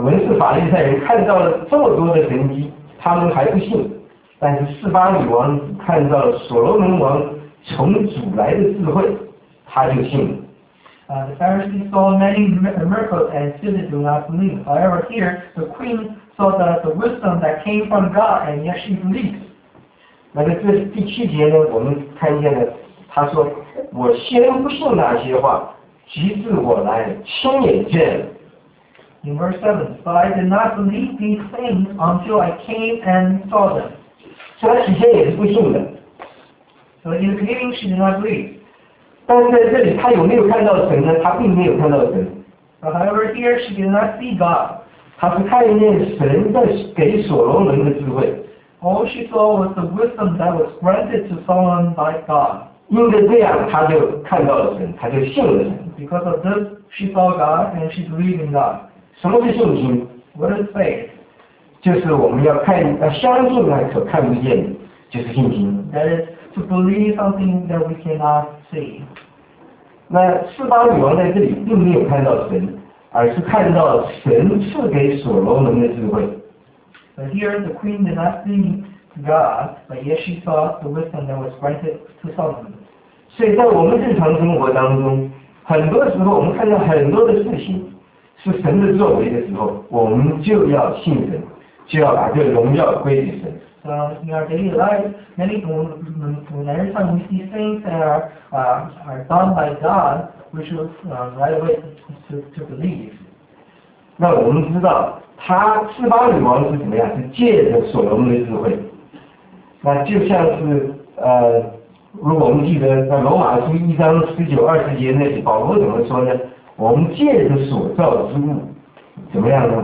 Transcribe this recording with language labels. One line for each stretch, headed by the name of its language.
Chinese: 文士法利赛人看到了这么多的神迹，他们还不信。但是示巴女王看到了所罗门王从主来的智慧，他就信了。
English: The Pharisees saw many miracles and still do not believe. However, here the queen saw the wisdom that came from God and yet she believed.
Chinese: 那在这第七节呢，我们看见了。他说：“我先不信那些话，直至我来亲眼见了。”
English: In verse 7, but I did not believe these things until I came and saw them.
Chinese: 所以他起先也是不信的。
English: So in the beginning, she did not believe.
Chinese: 但是在这里，他有没有看到神呢？他并没有看到神。
English: But however, here she did not see God.
Chinese: 他是看见神在给所罗门的智慧。
English: All she saw was the wisdom that was granted to Solomon by God.
Chinese: 因为这样，他就看到了神，他就信了神。
English: Because of this, she saw God and she believed in God.
Chinese: 什么是信心
English: ？What is faith?
Chinese: 就是我们要相信那所看不见的，就是信心。
English: That is to believe something that we cannot see.
Chinese: 那示巴女王在这里并没有看到神，而是看到神赐给所罗门的智慧。
English: But here the queen did not see. God, but yet she saw the wisdom that was granted to Solomon.
Chinese: 所以在我们日常生活当中，很多时候我们看到很多的事情是神的作为的时候，我们就要信神，就要把这荣耀归给神。
English: in our daily life, many times we see things that are done by God, we should right away to believe.
Chinese: 那我们知道他赐巴女王是怎么样，是借着所罗门的智慧。那就像是如果我们记得在罗马书一章十九二十节那里，保罗怎么说呢？我们借着所造之物，怎么样呢？